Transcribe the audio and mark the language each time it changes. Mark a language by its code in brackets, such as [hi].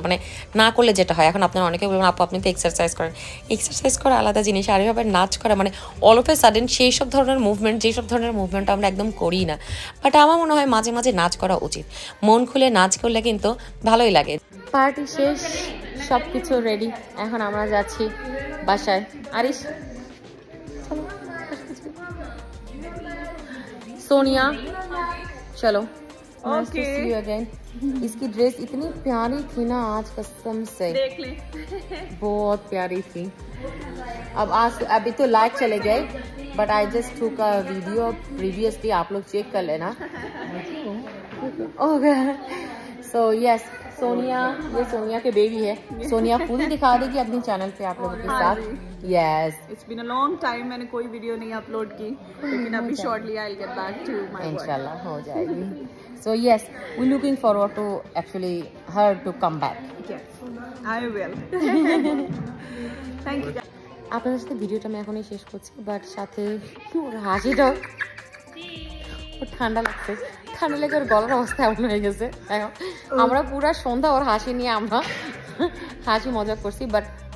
[bn] মানে না করলে যেটা হয়, এখন আপনারা অনেকে বলবেন আপু আপনি তো এক্সারসাইজ করেন, এক্সারসাইজ করা আলাদা জিনিস, আর এইভাবে নাচ করা, মানে অল অফ এ সাডেন সেই সব ধরনের মুভমেন্ট, যেসব ধরনের মুভমেন্ট আমরা একদম করি না। বাট আমার মনে হয় মাঝে মাঝে নাচ করা উচিত, মন খুলে নাচ করলে কিন্তু ভালোই লাগে। পার্টি শেষ, সব কিছু রেডি, এখন আমরা যাচ্ছি বাসায়। [en] আরিস सोनिया चलो okay see you again. [hi] इसकी ड्रेस इतनी प्यारी थी ना आज, कसम से देख ले बहुत प्यारी थी। अब आज अभी तो लाइक चले गए, [en] but I just took a video previously, [hi] आप लोग चेक कर लेना। [en] okay so yes, [hi] सोनिया ये सोनिया के बेबी है। सोनिया खुद ही दिखा देगी अपने चैनल पे आप लोगों के साथ। [en] Yes, it's been a long time, [hi] maine koi video nahi upload ki, lekin abhi [en] shortly I'll get back to my work, [hi] inshallah ho jayegi. [en] So yes, we looking forward to actually her to come back. Yes, I will. Thank you. [bn] আপনাদের সাথে ভিডিওটা আমি এখনই শেষ করছি, but সাথে হাসি দাও জি, ঠান্ডা লাগছে, ঠান্ডা লেগে ওর গলার অবস্থা এমন হয়ে গেছে। আমরা পুরো সন্ধ্যা ওর হাসি নিয়ে আমরা হাসি মজা করছি, বাট